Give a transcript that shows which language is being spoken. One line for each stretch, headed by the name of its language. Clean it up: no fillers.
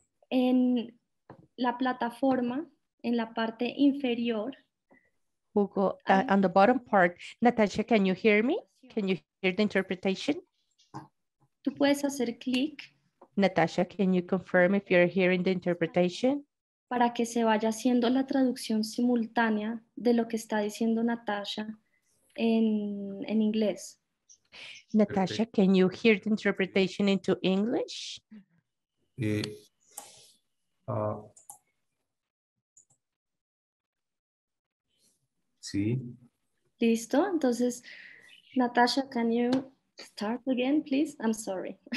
Spanish: En la plataforma, en la parte inferior.
English: Hugo, on the bottom part, Natasha, can you hear me? Can you hear the interpretation?
Spanish: Tú puedes hacer clic.
English: Natasha, can you confirm if you're hearing the interpretation?
Spanish: Para que se vaya haciendo la traducción simultánea de lo que está diciendo Natasha en inglés.
English: Natasha, can you hear the interpretation into English?
Spanish: Sí. Listo. Entonces,
English: Natasha, can you start again, please? I'm sorry.